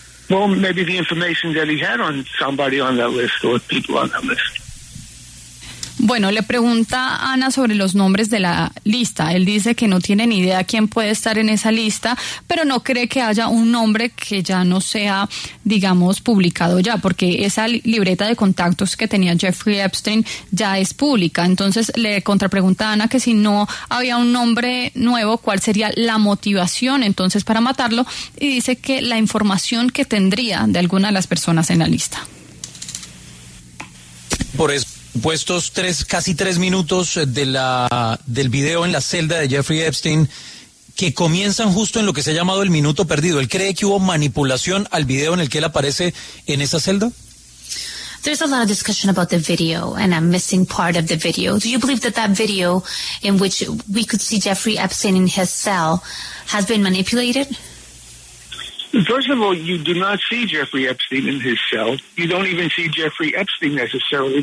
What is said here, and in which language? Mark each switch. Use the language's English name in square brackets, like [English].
[English] Well, maybe the information that he had on somebody on that list or people on that list. [Spanish] Bueno, le pregunta Ana sobre los nombres de la lista. Él dice que no tiene ni idea quién puede estar en esa lista, pero no cree que haya un nombre que ya no sea, digamos, publicado ya, porque esa libreta de contactos que tenía Jeffrey Epstein ya es pública. Entonces le contrapregunta a Ana que si no había un nombre nuevo, ¿cuál sería la motivación entonces para matarlo? Y dice que la información que tendría de alguna de las personas en la lista. Por eso. Puestos casi tres minutos del video en la celda de Jeffrey Epstein, que comienzan justo en lo que se ha llamado el minuto perdido. ¿Él cree que hubo manipulación al video en el que él aparece en esa celda? [English] There's a lot of discussion about the video and a missing part of the video. Do you believe that video in which we could see Jeffrey Epstein in his cell has been manipulated? First of all, you do not see Jeffrey Epstein in his cell. You don't even see Jeffrey Epstein necessarily.